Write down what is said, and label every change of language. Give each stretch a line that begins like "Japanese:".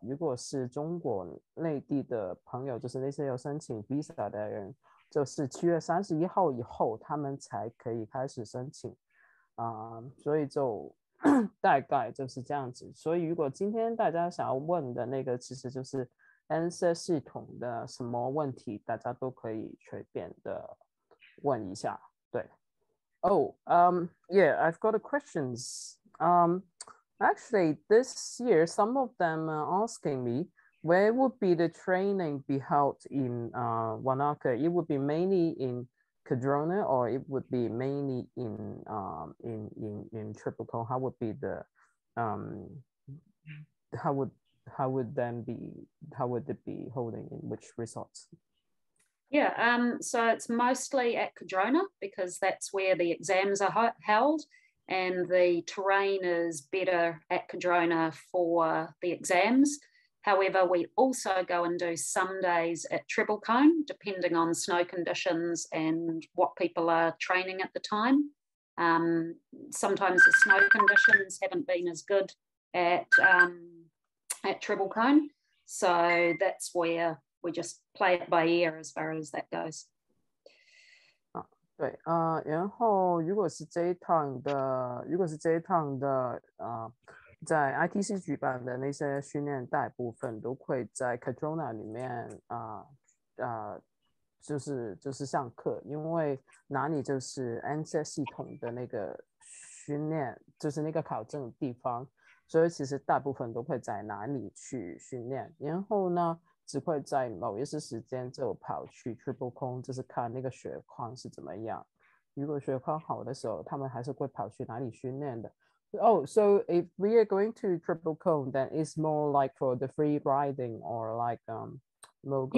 Chinese: 如果是中国内地的朋友，就是那些要申请 visa 的人，就是7月31号以后他们才可以开始申请所以就大概就是这样子。所以如果今天大家想要问的那个其实就是 NZ 系统的什么问题，大家都可以随便的问一下。
English: 对。Yeah, I've got a questions. Actually, this year, some of them are asking me, where would be the training be held in Wanaka? It would be mainly in Cardrona, or it would be mainly in Tripoko. How would be the how would it be holding in which resorts? Yeah, so it's mostly at Cardrona because that's where the exams are held, and the terrain is better at Cardrona for the exams. However, we also go and do some days at Treble Cone, depending on snow conditions and what people are training at the time. Sometimes the snow conditions haven't been as good at Treble Cone, so that's where we just play it by ear as far as that goes.
Chinese: 对，然后如果是这一趟的，在 ITC 举办的那些训练，大部分都会在 Cardrona 里面就是上课，因为哪里就是 NZ 系统的那个训练，就是那个考证的地方，所以其实大部分都会在哪里去训练，然后呢，只会在某一些时间就跑去 Triple Cone， 就是看那个雪况是怎么样，如果学科好的时候，他们还是会跑去哪里训练的。
English: Oh, so if we are going to triple cone, then it's more like for the free riding or like mogul